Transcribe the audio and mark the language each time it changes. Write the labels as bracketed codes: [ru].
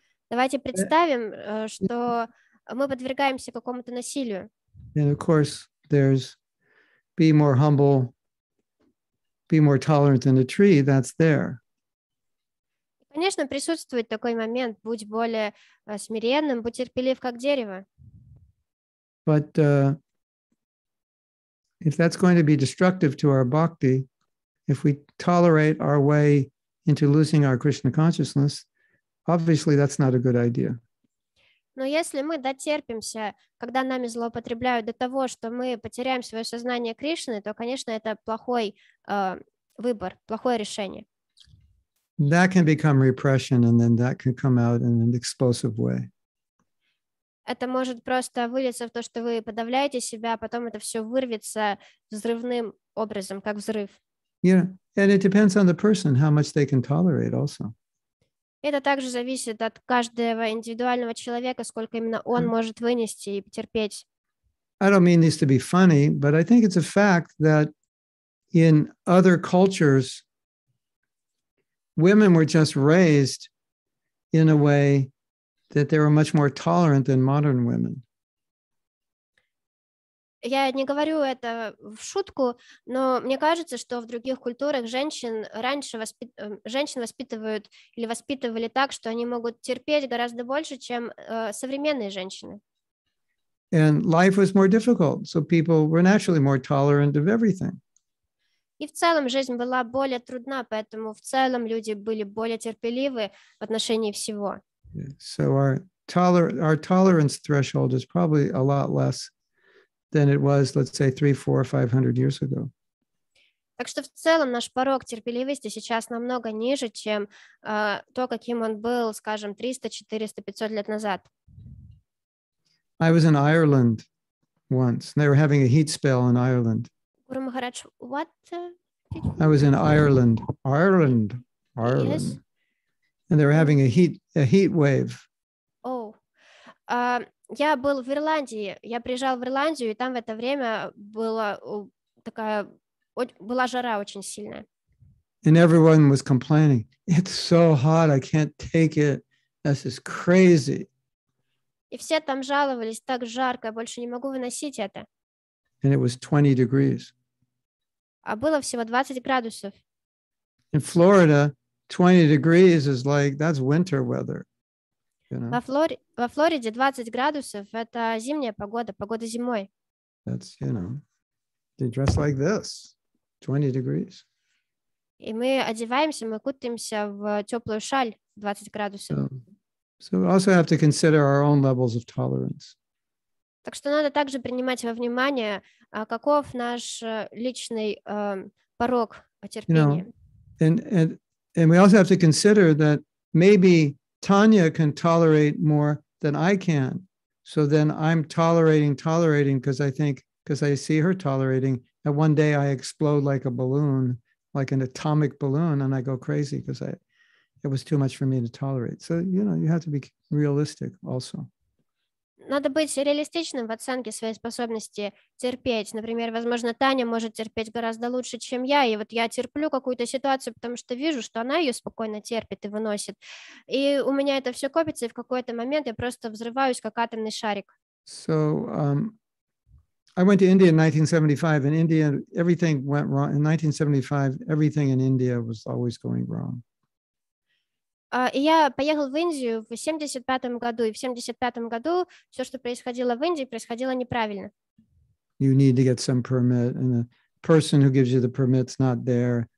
[ru] Давайте представим, что мы подвергаемся какому-то насилию. [en] And of course, there's be more humble, be more tolerant than a tree, that's there. [ru] Конечно, присутствует такой момент, будь более смиренным, будь терпелив, как дерево. [en] But if that's going to be destructive to our bhakti, if we tolerate our way into losing our Krishna consciousness, obviously that's not a good idea. [ru] Но если мы дотерпимся, когда нами злоупотребляют до того, что мы потеряем свое сознание Кришны, то, конечно, это плохой выбор, плохое решение. [en] That can become repression, and then that can come out in an explosive way. [ru] Это может просто вылиться в то, что вы подавляете себя, а потом это все вырвется взрывным образом, как взрыв. [en] Yeah, and it depends on the person how much they can tolerate also. [ru] Это также зависит от каждого индивидуального человека, сколько именно он может вынести и терпеть. [en] I don't mean this to be funny, but I think it's a fact that in other cultures, women were just raised in a way that they were much more tolerant than modern women. [ru] Я не говорю это в шутку, но мне кажется, что в других культурах женщин воспитывают или воспитывали так, что они могут терпеть гораздо больше, чем современные женщины. [en] And life was more difficult, so people were naturally more tolerant of everything. [ru] И в целом жизнь была более трудна, поэтому в целом люди были более терпеливы в отношении всего. [en] So our tolerance threshold is probably a lot less than it was, let's say, 300-500 years ago. [ru] Так что в целом наш порог терпеливости сейчас намного ниже, чем то, каким он был, скажем, 300-400-500 лет назад. [en] I was in Ireland once. They were having a heat spell in Ireland. Guru Maharaj, what? I was in Ireland. Yes. And they were having a heat wave. Oh. [ru] Я был в Ирландии, я приезжал в Ирландию, и там в это время была жара очень сильная. [en] And everyone was complaining. It's so hot, I can't take it. This is crazy. [ru] И все там жаловались, так жарко, я больше не могу выносить это. [en] And it was 20 degrees. [ru] А было всего 20 градусов. [en] In Florida, 20 degrees is like, that's winter weather. You know? [ru] Во Флориде 20 градусов — это зимняя погода, погода зимой. [en] That's, you know, they dress like this, 20 degrees. [ru] И мы одеваемся, мы кутаемся в теплую шаль 20 градусов. [en] So we also have to consider our own levels of tolerance. [ru] Так что надо также принимать во внимание, каков наш личный порог терпения. [en] You know, and we also have to consider that maybe Tanya can tolerate more than I can. So then I'm tolerating because I think, because I see her tolerating, and one day I explode like a balloon, like an atomic balloon, and I go crazy because it was too much for me to tolerate. So, you know, you have to be realistic also. [ru] Надо быть реалистичным в оценке своей способности терпеть. Например, возможно, Таня может терпеть гораздо лучше, чем я. И вот я терплю какую-то ситуацию, потому что вижу, что она ее спокойно терпит и выносит. И у меня это все копится, и в какой-то момент я просто взрываюсь, как атомный шарик. [en] So, I went to India in 1975. In India, everything went wrong. In 1975, everything in India was always going wrong. [ru] И я поехал в Индию в 75-м году, и в 75-м году все, что происходило в Индии, происходило неправильно. [en] You need to get some permit, and the person who gives you the permit's not there.